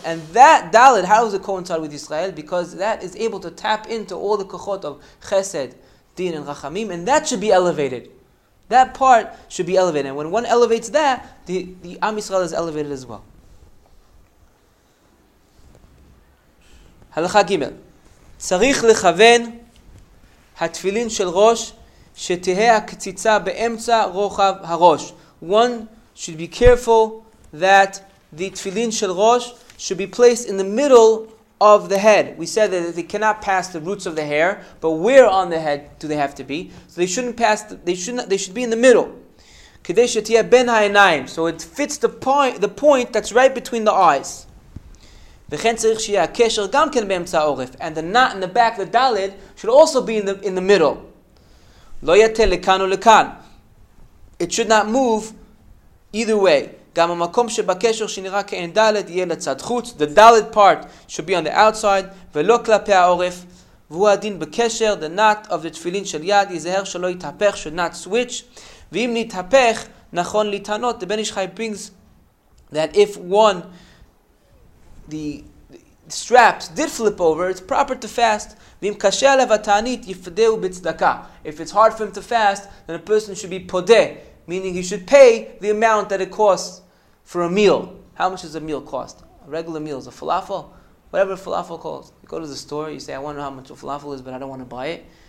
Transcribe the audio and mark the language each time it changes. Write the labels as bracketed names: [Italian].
[English] And that Dalet, how does it coincide with Israel? Because that is able to tap into all the Kochot of Chesed, Din, and Rachamim, and that should be elevated. That part should be elevated. And when one elevates that, the Am Yisrael is elevated as well. [Hebrew] הלכה ג' צריך לכוון התפילין של ראש שתהיה הקציצה באמצע רוחב הראש. [English] One should be careful that the תפילין של ראש should be placed in the middle of the head. We said that they cannot pass the roots of the hair, but where on the head do they have to be? So they shouldn't pass, they should be in the middle. [Hebrew] כדי שתהיה בין העיניים. [English] So it fits the point that's right between the eyes. [Hebrew] וכן צריך שיהיה הקשר גם כן באמצע העורף. [English] And the knot in the back, the dalet, should also be in the middle. [Hebrew] לא יתה לכאן ולכאן. [English] It should not move either way. [Hebrew] גם המקום שבקשר שנראה כעין דלת יהיה לצד חוץ. [English] The dalet part should be on the outside [Hebrew] ולא כלפי העורף. והוא הדין בקשר, [English] the knot of the תפילין של יד, [Hebrew] יזהר שלא יתהפך, [English] should not switch. [Hebrew] ואם נתהפך, נכון לטענות, [English] the Benish Chai brings that if one, the straps did flip over, it's proper to fast. [Hebrew] ואם קשה עליו התענית, יפדהו בצדקה. [English] If it's hard for him to fast, then a person should be פודה, meaning he should pay the amount that it costs for a meal. How much does a meal cost? A regular meal is a falafel. Whatever falafel costs, you go to the store, you say, I wonder how much a falafel is, but I don't want to buy it.